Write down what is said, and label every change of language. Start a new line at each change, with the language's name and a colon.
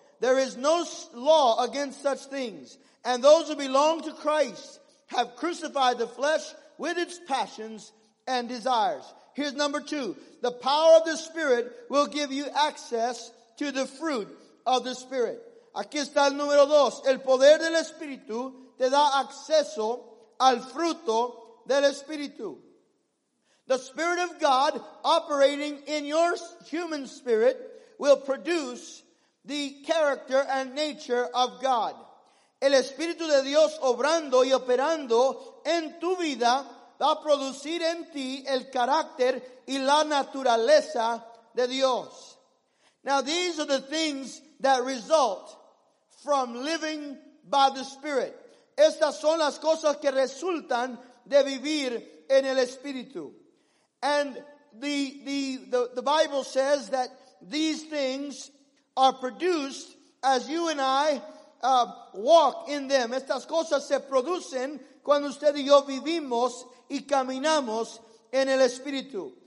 English: There is no law against such things. And those who belong to Christ have crucified the flesh with its passions and desires. Here's number two. The power of the Spirit will give you access to the fruit of the Spirit.
Spanish: Aquí está el número dos. El poder del Espíritu te da acceso al fruto del Espíritu.
English: The Spirit of God operating in your human spirit will produce the character and nature of God.
Spanish: El Espíritu de Dios obrando y operando en tu vida va a producir en ti el carácter y la naturaleza de Dios.
English: Now these are the things that result from living by the Spirit.
Spanish: Estas son las cosas que resultan de vivir en el Espíritu.
English: And the Bible says that these things are produced as you and I walk in them.
Spanish: Estas cosas se producen cuando usted y yo vivimos y caminamos en el Espíritu.